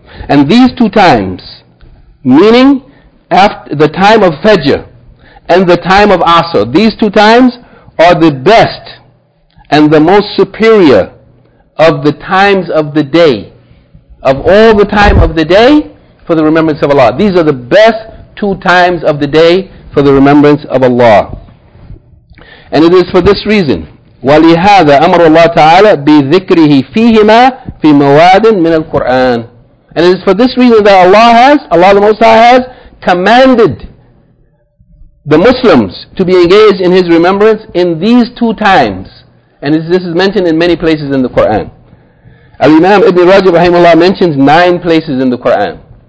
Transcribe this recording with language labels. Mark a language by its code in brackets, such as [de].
[en] And these two times, meaning after the time of Fajr and the time of Asr, these two times are the best and the most superior of the times of the day, of all the time of the day for the remembrance of Allah. These are the best two times of the day for the remembrance of Allah. And it is for this reason, [ar] وَلِهَذَا أَمَرُ اللَّهُ تَعَالَى بِذِكْرِهِ فِيهِمَا فِي مَوَادٍ مِنَ الْقُرْآنِ. [en] And it is for this reason that Allah the Most High has commanded the Muslims to be engaged in His remembrance in these two times. And this is mentioned in many places in the Quran. Al-Imam Ibn Rajab rahimahullah mentions 9 places in the Quran.